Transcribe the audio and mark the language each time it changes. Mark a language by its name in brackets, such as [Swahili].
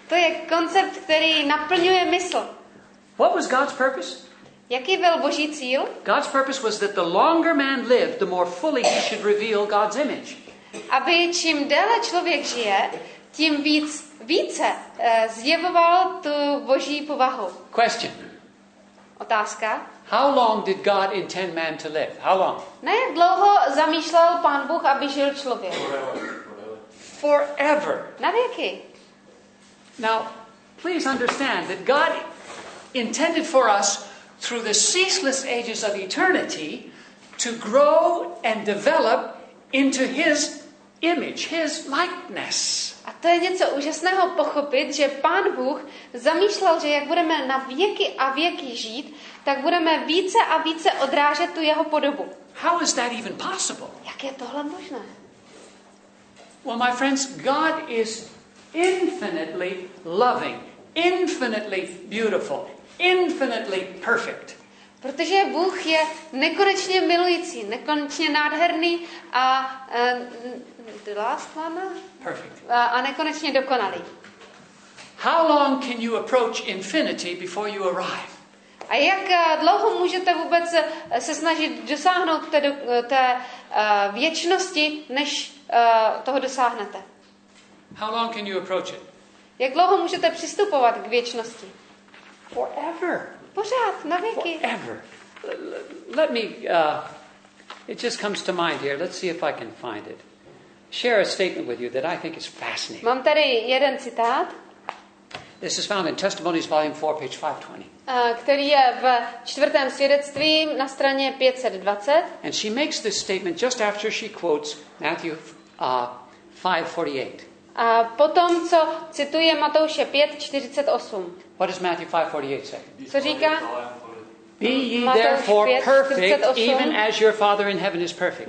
[Czech] To je koncept, který naplňuje mysl. [English] What was God's purpose? [Czech] Jaký byl Boží cíl? [English] God's purpose was that the longer man lived, the more fully he should reveal God's image. [Czech] Aby čím déle člověk žije, tím více zjevoval tu Boží povahu. [English] Question. [Czech] Otázka. [English] How long did God intend man to live? How long? [Czech] Ne, jak dlouho zamýšlel Pán Bůh, aby žil člověk? [English] Forever. [Czech] Na věky. [English] Now, please understand that God intended for us through the ceaseless ages of eternity to grow and develop into his image, his likeness. [Czech] A to je něco úžasného pochopit, že Pán Bůh zamýšlel, že jak budeme na věky a věky žít, tak budeme více a více odrážet tu jeho podobu. [English] How is that even possible? [Czech] Jak je tohle možné? [English] Well, my friends, God is infinitely loving. infinitely beautiful, infinitely perfect. [Czech] Protože Bůh je nekonečně milující, nekonečně nádherný a [English] the last one? Perfect. [Czech] A nekonečně dokonalý. [English] How long can you approach infinity before you arrive? [Czech] A jak dlouho můžete vůbec se snažit dosáhnout té věčnosti, než toho dosáhnete? [English] How long can you approach it? [Czech] Jak dlouho můžete přistupovat k věčnosti? [English] Forever. [Czech] Pořád, na věky. [English] Forever. Let me, it just comes to mind here. Let's see if I can find it. Share a statement with you that I think is fascinating. [Czech] Mám tady jeden citát. [English] This is found in Testimonies, volume 4, page 520. [Czech] Který je v čtvrtém svědectví na straně 520. [English] And she makes this statement just after she quotes Matthew 5:48. [Czech] A potom, co cituje Matouše 5:48. [English] What does Matthew 5:48 say? [Czech] Co říká? [English] Be ye therefore perfect, even as your Father in heaven is perfect.